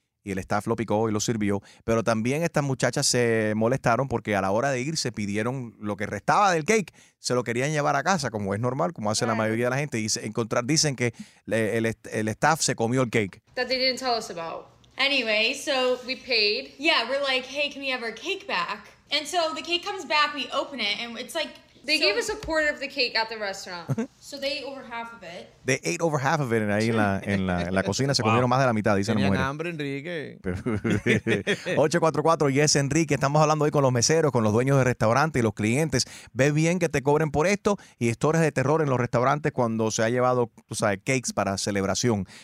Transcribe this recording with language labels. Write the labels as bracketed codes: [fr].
[es] Y el staff lo picó y lo sirvió. Pero también estas muchachas se molestaron porque a la hora de irse pidieron lo que restaba del cake. Se lo querían llevar a casa, como es normal, como hace la mayoría de la gente. Y dicen que el staff se comió el cake. [en] That they didn't tell us about. Anyway, so we paid. Yeah, we're like, hey, can we have our cake back? And so the cake comes back, we open it, and it's like... They gave us a quarter of the cake at the restaurant. So they ate over half of it. They ate over half of it and [es] ahí en la cocina. Se comieron más de la mitad, dicen las mujeres. Tenían hambre, Enrique. 844, yes, Enrique. Estamos hablando hoy con los meseros, con los dueños de restaurantes y los clientes. Ve bien que te cobren por esto. Y historias de terror en los restaurantes cuando se ha llevado, tú sabes, cakes para celebración.